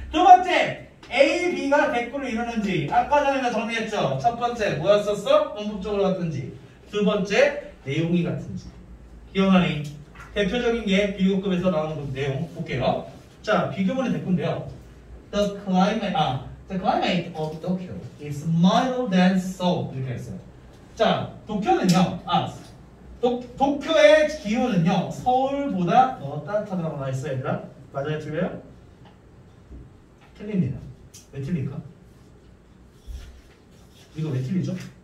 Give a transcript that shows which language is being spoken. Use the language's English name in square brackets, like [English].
[Korean] 두 번째, A, B가 100%를 이루는지 아까 전에 나 정리했죠. 첫 번째 뭐였었어? 문법적으로 같은지. 두 번째 내용이 같은지. 기억나니? 대표적인 게 비교급에서 나오는 내용 볼게요. 자, 비교문의 대꾸인데요. [English] The climate, the climate of Tokyo is milder than Seoul. [Korean] 이렇게 했어요. 자, 도쿄는요. 도쿄의 기온은요 서울보다 더 따뜻하다고 나 있어요, 얘들아. 맞아요, 틀려요? 틀립니다. 왜 틀릴까? 이거 왜 틀리죠?